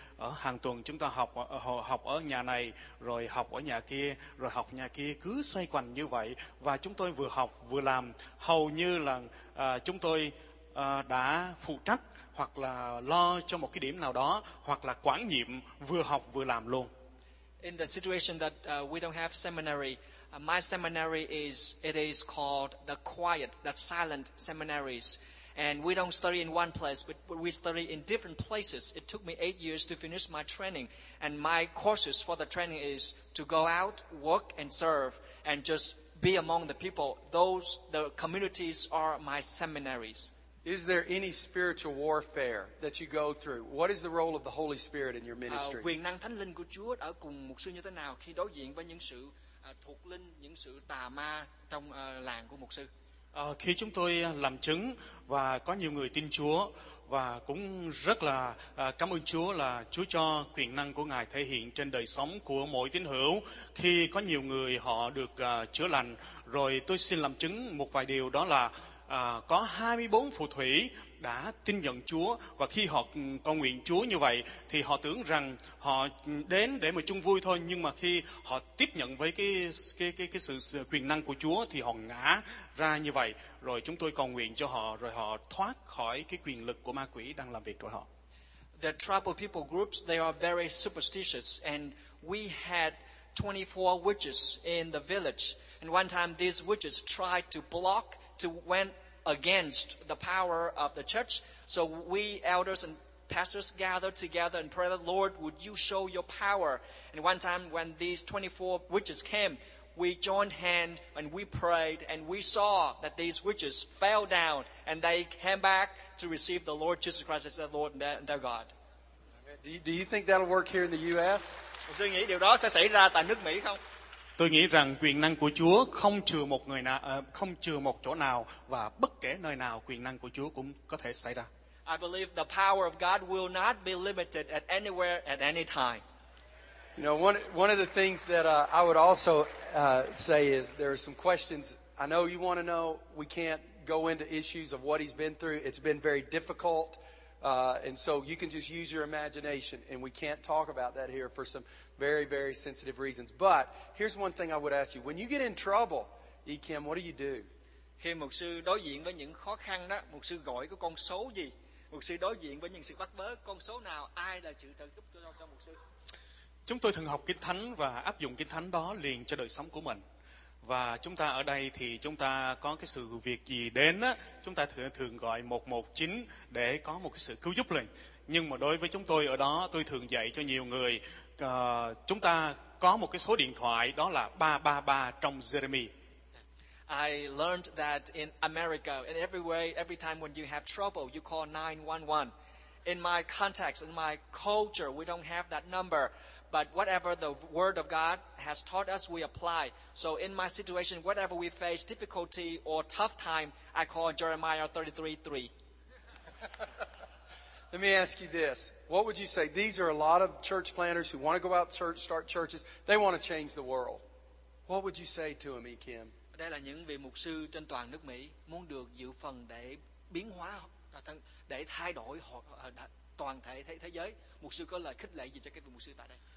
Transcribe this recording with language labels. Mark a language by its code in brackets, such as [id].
[vi] Ở hàng tuần chúng ta học ở nhà này, rồi học ở nhà kia, rồi học nhà kia, cứ xoay quanh như vậy. Và chúng tôi vừa học vừa làm. Hầu như là chúng tôi đã phụ trách hoặc là lo cho một cái điểm nào đó, hoặc là quản nhiệm, vừa học vừa làm luôn. [en] In the situation that we don't have seminary, my seminary is called the quiet, the silent seminaries. And we don't study in one place, but we study in different places. It took me 8 years to finish my training. And my courses for the training is to go out, work and serve, and just be among the people. Those, the communities are my seminaries. Is there any spiritual warfare that you go through? What is the role of the Holy Spirit in your ministry? [vi] Quyền năng thánh linh của Chúa ở cùng mục sư như thế nào khi đối diện với những sự thuộc linh, những sự tà ma trong làng của mục sư? Khi chúng tôi làm chứng và có nhiều người tin Chúa và cũng rất là cảm ơn Chúa là Chúa cho quyền năng của Ngài thể hiện trên đời sống của mỗi tín hữu. Khi có nhiều người họ được chữa lành, rồi tôi xin làm chứng một vài điều đó là có 24 phù thủy đã tin nhận Chúa, và khi họ cầu nguyện Chúa như vậy thì họ tưởng rằng họ đến để mà chung vui thôi, nhưng mà khi họ tiếp nhận với cái sự quyền năng của Chúa thì họ ngã ra như vậy, rồi chúng tôi cầu nguyện cho họ, rồi họ thoát khỏi cái quyền lực của ma quỷ đang làm việc trong họ. [en] The tribal people groups, they are very superstitious, and we had 24 witches in the village, and one time these witches tried to block, to went against the power of the church. So we elders and pastors gathered together and prayed, Lord, would you show your power? And one time when these 24 witches came, we joined hands and we prayed, and we saw that these witches fell down and they came back to receive the Lord Jesus Christ as their Lord and their God. Do you think that'll work here in the U.S.? [vi] Tôi nghĩ điều đó sẽ xảy ra tại nước Mỹ không? Tôi nghĩ rằng quyền năng của Chúa không trừ một người nào, không trừ một chỗ nào, và bất kể nơi nào quyền năng của Chúa cũng có thể xảy ra. [en] I believe the power of God will not be limited at anywhere at any time. You know, one of the things that I would also say is there are some questions I know you want to know, we can't go into issues of what he's been through. It's been very difficult. And so you can just use your imagination. And we can't talk about that here for some very, very sensitive reasons. But here's one thing I would ask you. When you get in trouble, E. Kim, what do? [vi] Khi mục sư đối diện với những khó khăn đó, mục sư gọi có con số gì? Mục sư đối diện với những sự bắt bớ, con số nào, ai là sự trợ giúp cho mục sư? Chúng tôi thường học Kinh Thánh và áp dụng Kinh Thánh đó liền cho đời sống của mình. Và chúng ta ở đây thì chúng ta có cái sự việc gì đến á, chúng ta thường gọi 119 để có một cái sự cứu giúp liền. Nhưng mà đối với chúng tôi ở đó, tôi thường dạy cho nhiều người, chúng ta có một cái số điện thoại đó là 333 trong Jeremy. [en] I learned that in America, in every way, every time when you have trouble, you call 911. In my context, in my culture, we don't have that number. But whatever the word of God has taught us, we apply. So in my situation, whatever we face, difficulty or tough time, I call Jeremiah 33:3. Let me ask you this. What would you say? These are a lot of church planters who want to go out to church, start churches. They want to change the world. What would you say to them, E. Kim? [vi] Đây là những vị mục sư trên toàn nước Mỹ muốn được dự phần để biến hóa, để thay đổi toàn thể thế giới. Mục sư có lời khích lệ gì cho các vị mục sư tại đây?